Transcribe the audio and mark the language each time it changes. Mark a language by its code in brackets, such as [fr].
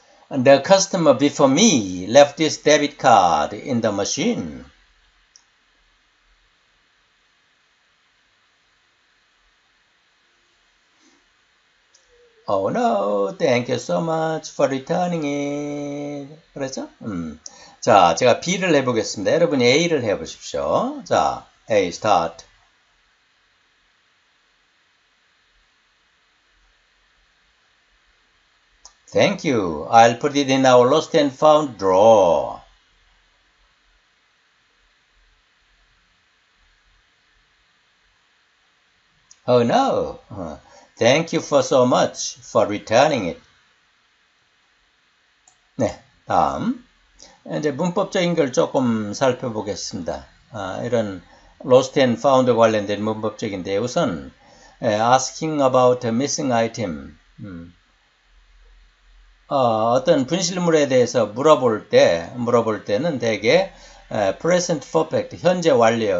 [en] 'And the customer before me left his debit card in the machine. 'Oh no, thank you so much for returning it.' [ko] 그렇죠? 자, 제가 B를 해보겠습니다. 여러분이 A를 해보십시오. 자, A, start. [en] 'Thank you. I'll put it in our lost and found drawer.' 'Oh no. Thank you for so much for returning it.' [ko] 네, 다음. 이제 문법적인 걸 조금 살펴보겠습니다. 이런 lost and found 관련된 문법적인데 우선 [en] asking about a missing item. [ko] 어떤 분실물에 대해서 물어볼 때는 대개 present perfect, 현재 완료.